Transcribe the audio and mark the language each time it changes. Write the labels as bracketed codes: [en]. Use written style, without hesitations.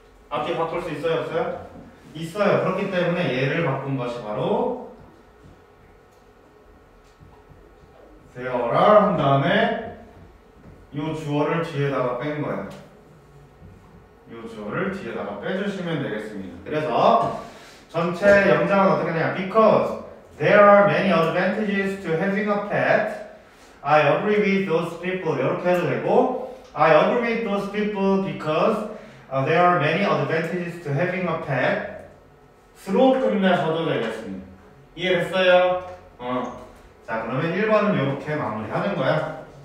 [ko] 앞뒤 바꿀 수 있어요, 없어요? 있어요. 그렇기 때문에 얘를 바꾼 것이 바로 대어라 한 다음에 요 주어를 뒤에다가 뺀 거야. 요 주어를 뒤에다가 빼주시면 되겠습니다. 그래서 전체 영장은 어떻게 되냐? [en] Because there are many advantages to having a pet. I agree with those people. [ko] 이렇게 해도 되고, [en] I agree with those people because there are many advantages to having a pet. [ko] 스로 끝내셔도 되겠습니다. 이해했어요? 자, 그러면 1번은 이렇게 마무리하는 거야.